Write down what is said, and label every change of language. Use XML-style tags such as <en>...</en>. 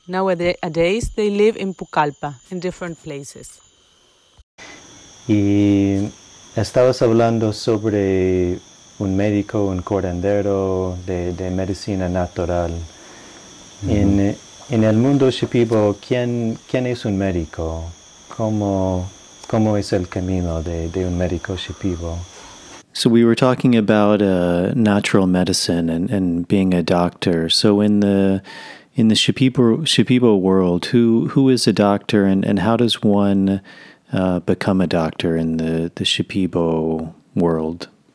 <en>Nowadays, they live in Pucallpa, in different places.</en> <es>Y estabas hablando sobre un médico, un curandero de medicina natural. En el mundo Shipibo, ¿quién es un médico? ¿Cómo es el camino de un médico Shipibo?</es> <en>So we were talking about natural medicine and being a doctor. So in the Shipibo world, who is a doctor and how does one become a doctor in the Shipibo world?</en>